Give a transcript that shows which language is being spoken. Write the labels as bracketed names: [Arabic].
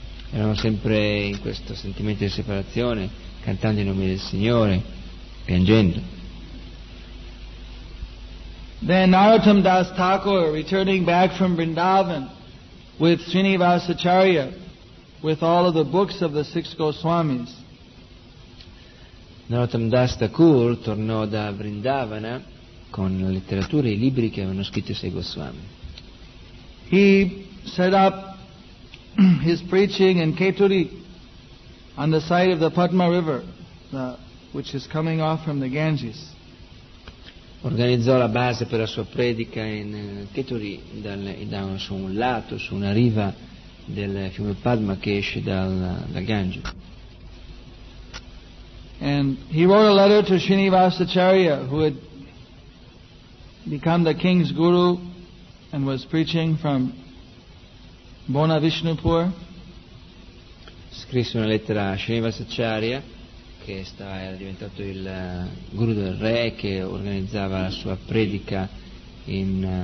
[Italian] Erano sempre in questo sentimento di separazione, cantando i nomi del Signore, piangendo. [English] Then Narottam Das Thakur, returning back from Vrindavan with Srinivas Acharya, with all of the books of the six Goswamis. [Italian] Narottam Das Thakur tornò da Vrindavana con la letteratura e i libri che avevano scritto i sei Goswami. [English] He set up his preaching in Keturi on the side of the Padma River, which is coming off from the Ganges. [Italian] Organizzò la base per la sua predica in Keturi, su un lato, su una riva del fiume Padma che esce dal Ganges. [English] And he wrote a letter to Srinivas Acharya, who had become the king's guru and was preaching from Bona Vishnupur. [Italian] Scrisse una lettera a Srinivas Acharya, era diventato il guru del re, che organizzava la sua predica in